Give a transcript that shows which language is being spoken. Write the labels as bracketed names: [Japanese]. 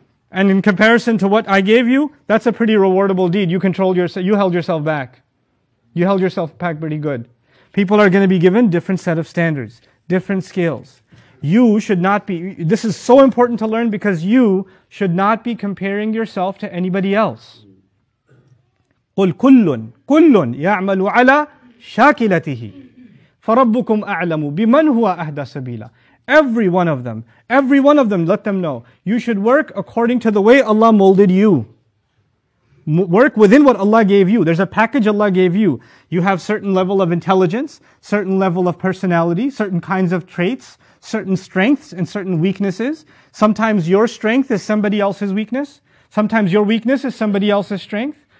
[English] And in comparison to what I gave you, that's a pretty rewardable deed. You controlled yourself, you held yourself back. You held yourself back pretty good. People are gonna be given different set of standards, different scales. You should not be, this is so important to learn, because you should not be comparing yourself to anybody else. [Arabic] قُلْ كُلٌّ يَعْمَلُ عَلَى شَاكِلَتِهِ فَرَبُّكُمْ أَعْلَمُ بِمَنْ هُوَ أَهْدَى سَبِيلًا [English] Every one of them, let them know. You should work according to the way Allah molded you. Work within what Allah gave you. There's a package Allah gave you. You have certain level of intelligence, certain level of personality, certain kinds of traits, certain strengths and certain weaknesses. Sometimes your strength is somebody else's weakness. Sometimes your weakness is somebody else's strength.